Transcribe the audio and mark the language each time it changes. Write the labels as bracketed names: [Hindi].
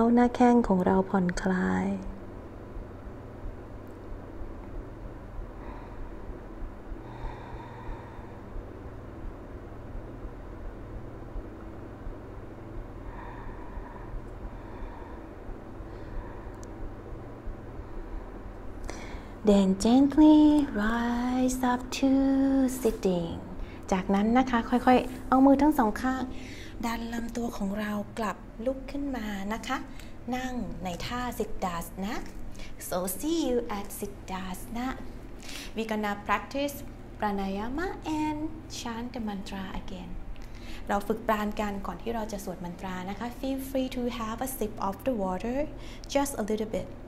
[Thai] หน้าแข้งของเราผ่อนคลาย [English] Then gently rise up to sitting. [Thai] จากนั้นนะคะค่อยๆเอามือทั้งสองข้างดันลำตัวของเรากลับลุกขึ้นมานะคะนั่งในท่า Siddhasana. [English] So see you at Siddhasana. We're gonna practice pranayama and chant the mantra again. [Thai] เราฝึกปราณกันก่อนที่เราจะสวดมันตรานะคะ [English] Feel free to have a sip of the water, just a little bit.